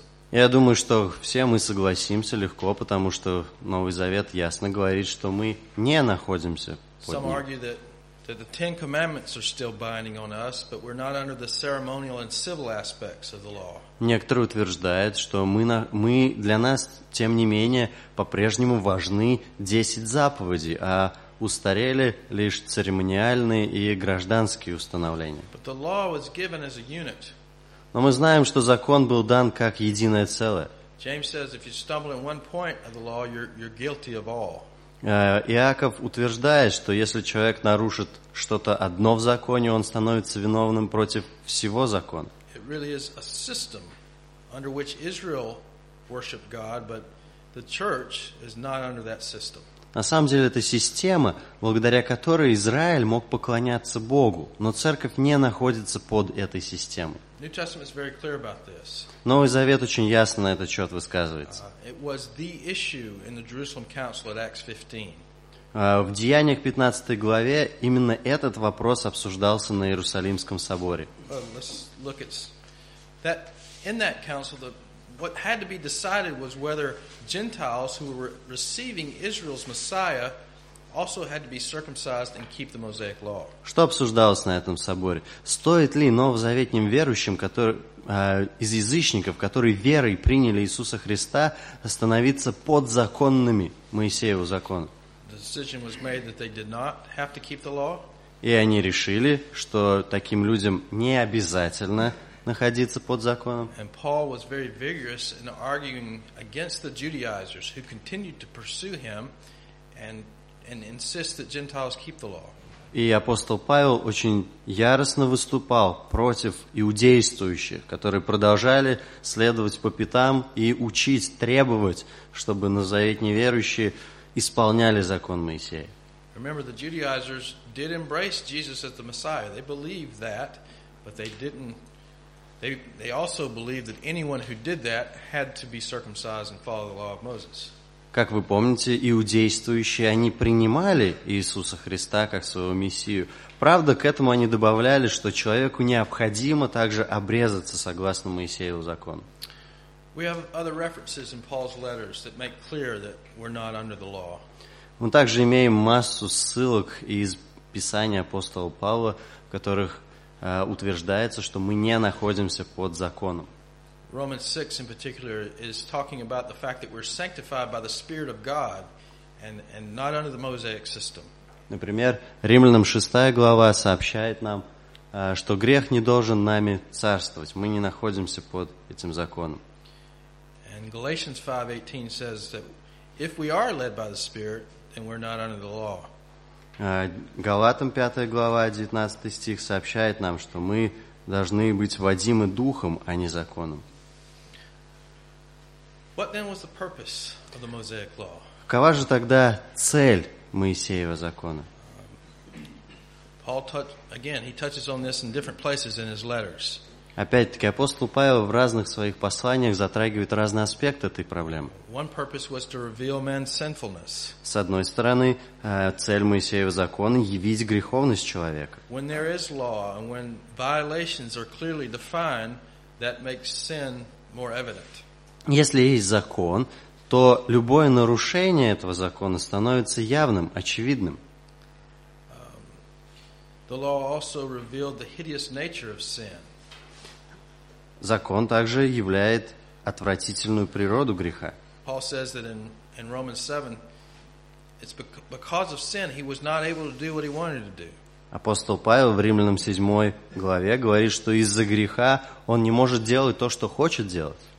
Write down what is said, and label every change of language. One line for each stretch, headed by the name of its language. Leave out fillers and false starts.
Russian: Я думаю, что все мы согласимся легко, потому что Новый Завет ясно говорит, что мы не находимся под ним.
English: That the Ten Commandments are still binding on us, but we're not under the ceremonial and civil aspects of the law.
Russian: Некоторые утверждают, что мы для нас, тем не менее, по-прежнему важны 10 заповедей, а устарели лишь церемониальные и гражданские установления.
English: But the law was given as a unit.
Russian: Но мы знаем, что закон был дан как единое целое.
English: James says, if you stumble in one point of the law, you're guilty of all.
Russian: Иаков утверждает, что если человек нарушит что-то одно в законе, он становится виновным против всего закона.
English: It really is a system under which Israel worshiped God, but the church is not under that system.
Russian: На самом деле, это система, благодаря которой Израиль мог поклоняться Богу, но церковь не находится под этой системой.
English: New Testament is very clear about this.
Russian: Новый Завет очень ясно на этот счет высказывается.
English: It was the issue in the Jerusalem Council at Acts 15.
Russian: В Деяниях 15 главе именно этот вопрос обсуждался на Иерусалимском соборе.
English: Let's look at that. In that council, what had to be decided was whether Gentiles who were receiving Israel's Messiah also had to be circumcised and keep the Mosaic law.
Russian: Что обсуждалось на этом соборе? Стоит ли новозаветным верующим, из язычников, которые верой приняли Иисуса Христа, становиться подзаконными Моисееву закону?
English: The decision was made that they did not have to keep the law.
Russian: И они решили, что таким людям не обязательно находиться под законом.
English: And Paul was very vigorous in arguing against the Judaizers who continued to pursue him and insist that Gentiles keep the law.
Russian: И апостол Павел очень яростно выступал против иудействующих, которые продолжали следовать по пятам и учить, требовать, чтобы новозаветные верующие исполняли закон Моисея.
English: Remember, the Judaizers did embrace Jesus as the Messiah. They believed that, but they didn't. They also believed that anyone who did that had to be circumcised and follow the law of Moses.
Russian: Как вы помните, иудействующие, они принимали Иисуса Христа как своего Мессию. Правда, к этому они добавляли, что человеку необходимо также обрезаться согласно Моисееву закону.
English: We have other references in Paul's letters that make clear that we're not under the law.
Russian: Мы также имеем массу ссылок из Писания апостола Павла, в которых утверждается, что мы не находимся под законом.
English: Romans 6 in particular is talking about the fact that we're sanctified by the Spirit of God and not under the Mosaic system.
Russian: Например, Римлянам 6 глава сообщает нам, что грех не должен нами царствовать. Мы не находимся под этим законом.
English: And Galatians 5:18 says that if we are led by the Spirit, then we're not under the law.
Russian: Галатам 5 глава 19 стих сообщает нам, что мы должны быть водимы Духом, а не законом.
English: What then was the purpose of the Mosaic law?
Russian: Какова же тогда цель Моисеева закона?
English: Paul touches on this in different places in his letters.
Russian: Опять-таки, апостол Павел в разных своих посланиях затрагивает разные аспекты этой проблемы.
English: One purpose was to reveal man's sinfulness.
Russian: С одной стороны, цель Моисеева закона – явить греховность человека.
English: When there is law and when violations are clearly defined, that makes sin more evident.
Russian: Если есть закон, то любое нарушение этого закона становится явным, очевидным.
English: The law also revealed the hideous nature of sin.
Russian: Закон также являет отвратительную природу греха.
English: Paul says that in Romans 7, it's because of sin he was not able to do what he wanted to do.
Russian: Апостол Павел в Римлянам 7 главе говорит, что из-за греха он не может делать то, что хочет делать.